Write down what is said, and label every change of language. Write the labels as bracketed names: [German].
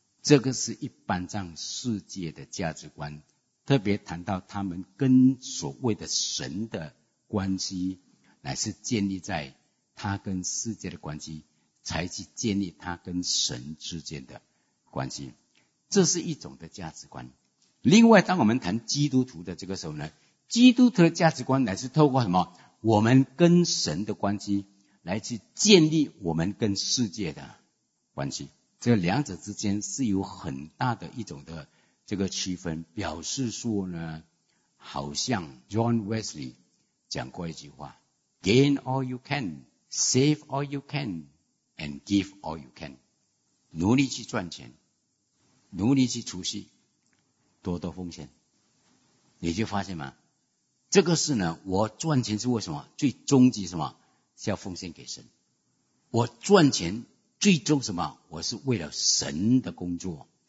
[Chinese] 这个是一般上世界的价值观，特别谈到他们跟所谓的神的关系，乃是建立在他跟世界的关系，才去建立他跟神之间的关系。这是一种的价值观。另外当我们谈基督徒的这个时候呢，基督徒的价值观乃是透过什么？我们跟神的关系来去建立我们跟世界的关系。这两者之间是有很大的一种的这个区分，表示说呢，好像 John Wesley 讲过一句话， [English] Gain all you can, [Chinese] save all you can, and give all you can。努力去赚钱，努力去储蓄，多多奉献。你就发现吗，这个是呢，我赚钱是为什么？最终极什么？是要奉献给神。我赚钱最终什么？我是为了神的工作。